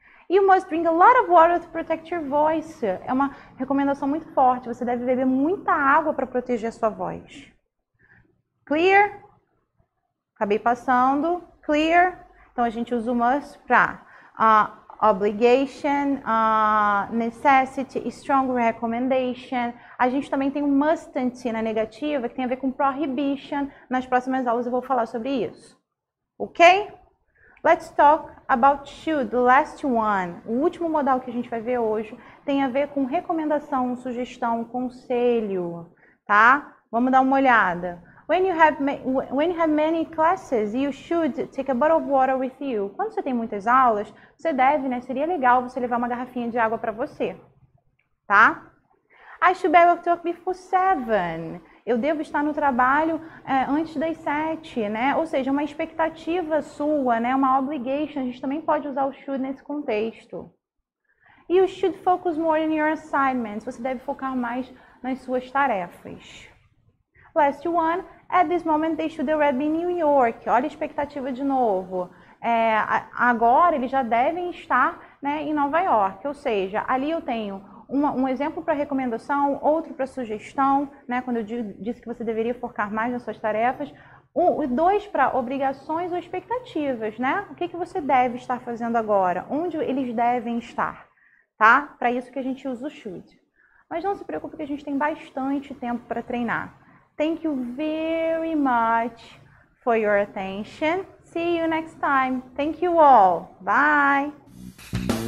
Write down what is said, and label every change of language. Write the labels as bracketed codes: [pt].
[en] You must drink a lot of water to protect your voice. [pt] É uma recomendação muito forte. Você deve beber muita água para proteger a sua voz. Clear? Acabei passando. Clear? Então a gente usa o must para obligation, necessity, strong recommendation. A gente também tem o mustn't na negativa, que tem a ver com prohibition. Nas próximas aulas eu vou falar sobre isso. Ok? [en] Let's talk about should, the last one. [pt] O último modal que a gente vai ver hoje tem a ver com recomendação, sugestão, conselho, tá? Vamos dar uma olhada. [en] When you have many classes, you should take a bottle of water with you. [pt] Quando você tem muitas aulas, você deve, né? Seria legal você levar uma garrafinha de água para você, tá? [en] I should be at work before 7. [pt] Eu devo estar no trabalho, antes das 7, né? Ou seja, uma expectativa sua, né? Uma obligation. A gente também pode usar o should nesse contexto. [en] You should focus more on your assignments. [pt] Você deve focar mais nas suas tarefas. [en] Last one. At this moment, they should already be in New York. [pt] Olha a expectativa de novo. Agora eles já devem estar, né, em Nova York. Ou seja, ali eu tenho um exemplo para recomendação, outro para sugestão, né? Quando eu disse que você deveria focar mais nas suas tarefas, dois para obrigações ou expectativas, né? O que que você deve estar fazendo agora? Onde eles devem estar, tá? Para isso que a gente usa o should. Mas não se preocupe, que a gente tem bastante tempo para treinar. [en] Thank you very much for your attention. See you next time. Thank you all. Bye.